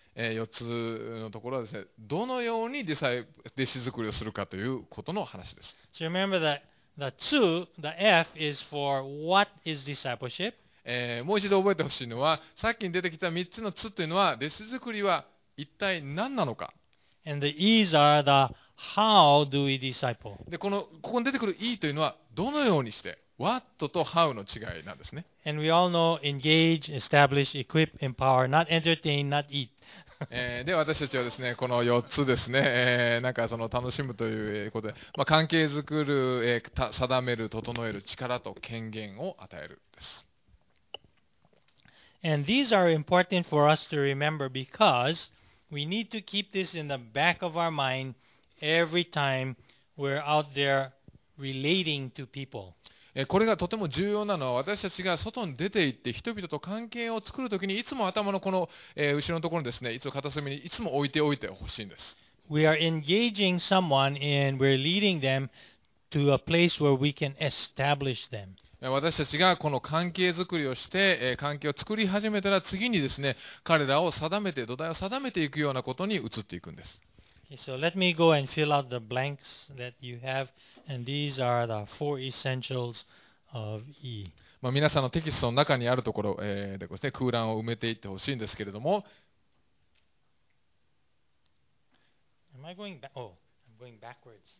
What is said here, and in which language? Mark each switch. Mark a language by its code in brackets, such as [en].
[ja] 4つのところはですね、どのように弟子作りをするかということの話です。 [en] So remember that the two, the F is for what is discipleship? [ja] もう一度覚えてほしいのは、さっきに出てきた3つのつというのは、弟子作りは一体何なのか。 [en] And the E's are the how do we disciple? [ja] で、この、ここに出てくる E というのは、どのようにして、What と How の違いなんですね。 [en] And we all know engage, establish, equip, empower, not entertain, not eat. [ja] で私たちはですね、この4つですね、なんかその楽しむということで、まあ、関係づくる、定める、整える力と権限を与えるです。 [en] And these are important for us to remember because we need to keep this in the back of our mind every time we're out there relating to people. [ja] これがとても重要なのは私たちが外に出て行って人々と関係を作るときにいつも頭のこの後ろのところにですねいつも片隅にいつも置いておいてほしいんです。 [en] We are engaging someone and we're leading them to a place where we can establish them. [ja] 私たちがこの関係づくりをして関係を作り始めたら次にですね彼らを定めて土台を定めていくようなことに移っていくんです。 [en] So let me go and fill out the blanks that you have, and these are the four essentials of E. [ja] まあ皆さんのテキストの中にあるところ、でこうして空欄を埋めていってほしいんですけれども。 [en] Am I going back? Oh, I'm going backwards.